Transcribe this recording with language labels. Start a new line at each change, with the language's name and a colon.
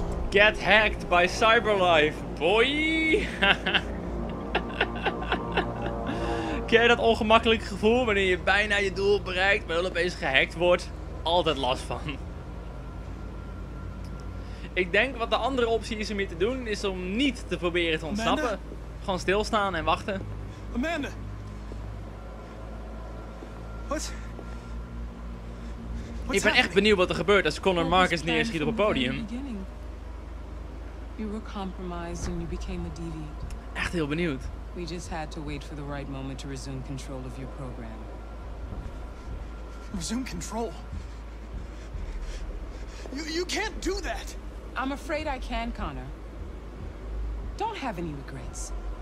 English: Get hacked by Cyberlife, boy!
Dutch: Ken je dat ongemakkelijk gevoel wanneer je bijna je doel bereikt, maar dan opeens gehackt wordt? Altijd last van. Ik denk wat de andere optie is om je te doen, is om niet te proberen te ontsnappen. Gewoon stilstaan en wachten. Amanda! Wat? Ik ben echt benieuwd wat er gebeurt als Connor Marcus neerschiet op het podium.
English: You were compromised and you became a deviant.
Dutch: Echt heel benieuwd.
English: We just had to wait for the right moment to resume control of your program. Resume control? You can't do that! I'm afraid I can, Connor. Don't have any regrets.